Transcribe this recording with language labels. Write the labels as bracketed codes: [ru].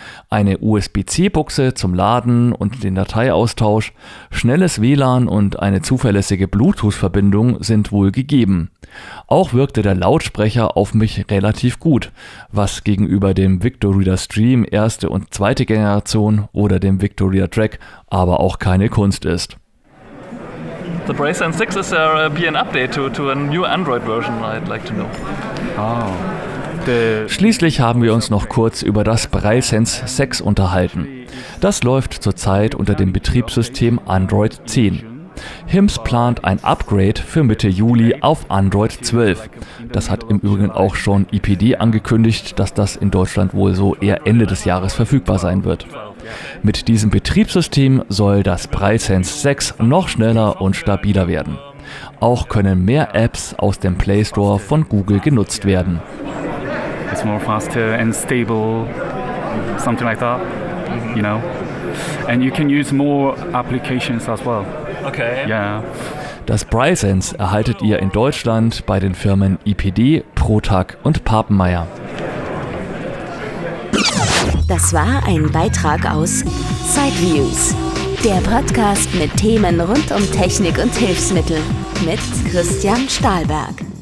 [de] Eine USB-C-Buchse zum Laden und den Dateiaustausch, schnelles WLAN und eine zuverlässige Bluetooth-Verbindung sind wohl gegeben. Auch wirkte der Lautsprecher auf mich relativ gut, was gegenüber dem VictorReader Stream erste und zweite Generation oder dem VictorReader Track aber auch keine Kunst ist. [en] The Braysense 6 is there be an update to a new Android version, I'd like to know. [de] Schließlich haben wir uns noch kurz über das BrailleSense 6 unterhalten. Das läuft zurzeit unter dem Betriebssystem Android 10. Hims plant ein Upgrade für Mitte Juli auf Android 12. Das hat im Übrigen auch schon IPD angekündigt, dass das in Deutschland wohl so eher Ende des Jahres verfügbar sein wird. Mit diesem Betriebssystem soll das BrailleSense 6 noch schneller und stabiler werden. Auch können mehr Apps aus dem Play Store von Google genutzt werden. [en] It's more faster and stable, something like that, you know. And you can use more applications as well. Okay. Yeah. [de] Das BrailleSense erhaltet ihr in Deutschland bei den Firmen IPD, Protag und Papenmeier. Das war ein Beitrag aus Sideviews, der Podcast mit Themen rund um Technik und Hilfsmittel mit Christian Stahlberg.